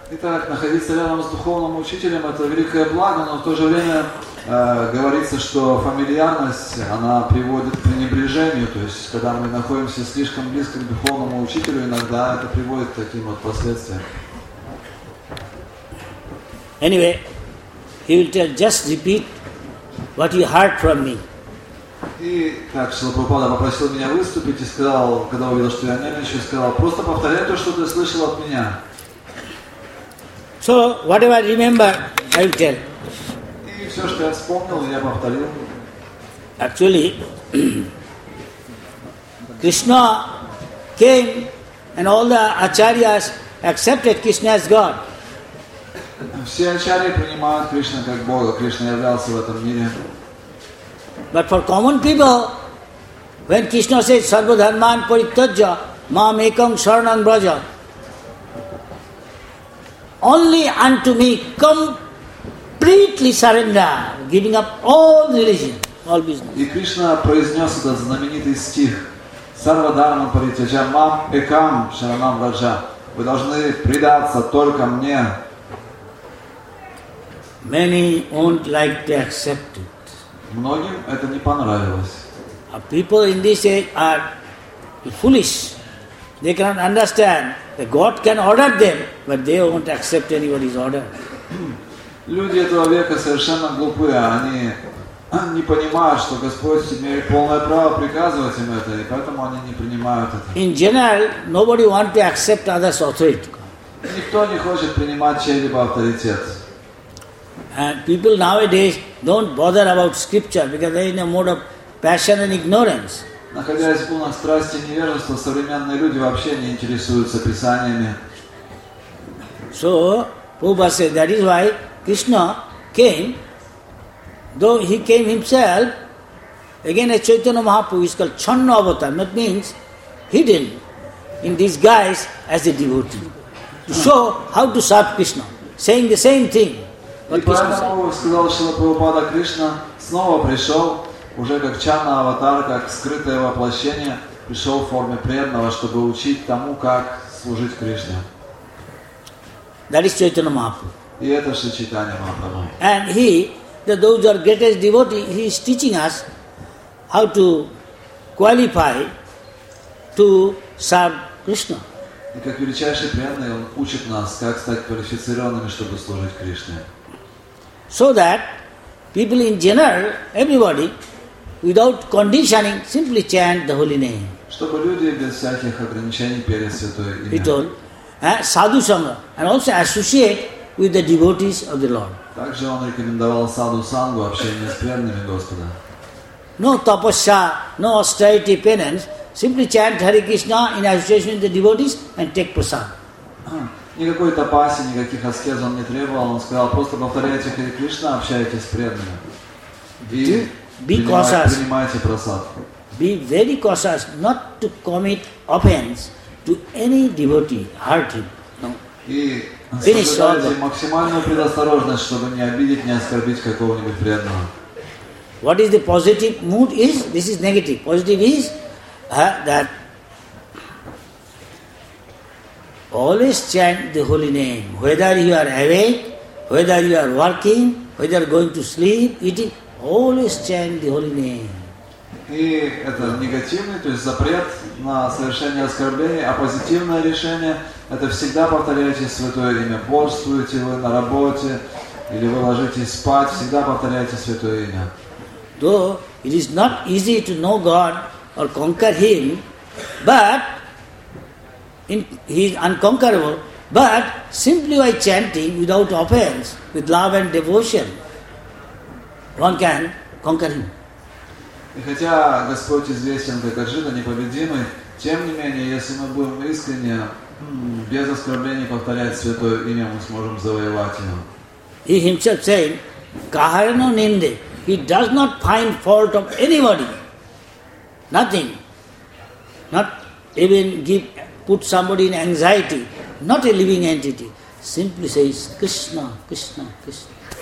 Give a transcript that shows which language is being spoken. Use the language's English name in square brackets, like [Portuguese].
[Russian] Итак, находиться рядом с духовным учителем – это великое благо, но в то же время говорится, что фамильярность, она приводит к пренебрежению. То есть, когда мы находимся слишком близко к духовному учителю, иногда это приводит к таким вот последствиям. [English] Anyway, he will tell, just repeat what you heard from me. [Russian] И так, Шрила Прабхупада попросил меня выступить и сказал, когда увидел, что я нервничаю, сказал, просто повторяй то, что ты слышал от меня. [English] So, whatever I remember, I will tell. [Russian] И все, что я вспомнил, я повторил. [English] Actually, Krishna came and all the acharyas accepted Krishna as God. [Russian] Все ачарьи принимают Кришну как Бога. Кришна являлся в этом мире. [English] But for common people, when Krishna says [Sanskrit] sarvadharman parityajya mam ekam sharanam braja, [English] only unto me completely surrender, giving up all religion, all business. [Russian] И Кришна произнес этот знаменитый стих: [Sanskrit] sarvadharman parityajya mam ekam sharanam braja. [Russian] Вы должны предаться только мне. [English] Many won't like to accept it. [Russian] Многим это не понравилось. [English] People in this age are foolish. They cannot understand that God can order them, but they won't accept anybody's order. [Russian] Люди этого века совершенно глупые. Они не понимают, что Господь имеет полное право приказывать им это, и поэтому они не принимают это. [English] In general, nobody wants to accept others' authority. [Russian] Никто не хочет принимать чей-либо авторитет. [English] And people nowadays don't bother about scripture because they're in a mode of passion and ignorance. [Russian] Находясь в полной страсти и невежества, современные люди вообще не интересуются писаниями. [English] So, Prabhupada says that is why Krishna came, though he came himself, again a Chaitanya Mahaprabhu is called Channa Avatar, that means hidden in disguise as a devotee, to show how to serve Krishna, saying the same thing. [Russian] И поэтому, сказал Шрила Прабхупада, Кришна снова пришел, уже как чанна аватар, как скрытое воплощение, пришел в форме преданного, чтобы учить тому, как служить Кришне. [English] That is Chaitanya Mahaprabhu. [Russian] И это Шри Чайтанья Махапрабху. [English] And he, those are greatest devotees, he is teaching us how to qualify to serve Krishna. [Russian] И как величайший преданный, он учит нас, как стать квалифицированными, чтобы служить Кришне. [English] So that people in general, everybody, without conditioning, simply chant the holy name. [Russian] Чтобы люди без всяких ограничений пели святое имя. [English] He told, sadhu sangha, and also associate with the devotees of the Lord. [Russian] Также он рекомендовал sadhu sangha, общение с преданными Господа. [English] No tapasya, no austerity, penance. Simply chant Hare Krishna in association with the devotees and take prasad. [Russian] Никакой тапаси, никаких аскез он не требовал. Он сказал, просто повторяйте Хари Кришна, общайтесь с преданными. Принимайте прасад. [English] Be very cautious not to commit offense to any devotee, hurt him. [Russian] И соблюдайте максимальную предосторожность, чтобы не обидеть, не оскорбить какого-нибудь преданного. [English] What is the positive mood is? This is negative. Positive is that always chant the holy name, whether you are awake, whether you are working, whether going to sleep, eating, always chant the holy name. [Russian] И это негативный, то есть запрет на совершение оскорблений, а позитивное решение – это всегда повторяйте святое имя. Бодрствуете вы на работе или вы ложитесь спать, всегда повторяйте святое имя. [English] Though it is not easy to know God or conquer Him, but He is unconquerable, but simply by chanting without offense, with love and devotion, one can conquer Him. [Russian] И хотя Господь известен как Арджуна, непобедимый, тем не менее, если мы будем искренне, без оскорблений повторять святое имя, мы сможем завоевать его. [English] He himself said, [Bangla] Kaharano Ninde, [English] he does not find fault of anybody, nothing, not even give, put somebody in anxiety, not a living entity, simply says, Krishna, Krishna, Krishna.